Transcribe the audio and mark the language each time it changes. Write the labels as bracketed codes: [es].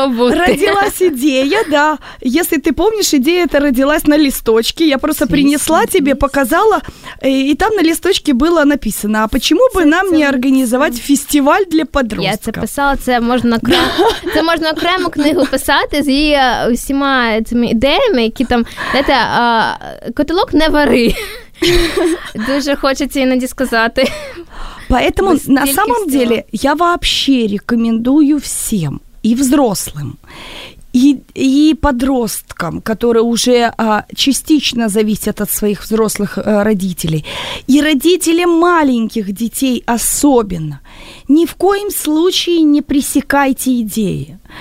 [ru] Родилась идея, да. Если ты помнишь, идея эта родилась на листочке. Я просто принесла тебе, показала, и там на листочке было написано: а почему бы нам не организовать фестиваль для подростков? [uk] Я це писала, це можна окрему книгу писати з її усіма цими ідеями, які там, знаєте, котелок не вари. Дуже хочеться іноді сказати. [ru] Поэтому на самом деле я вообще рекомендую всем, и взрослым, и подросткам, которые уже частично зависят от своих взрослых родителей, и родителям маленьких детей особенно, ни в коем случае не пресекайте идеи.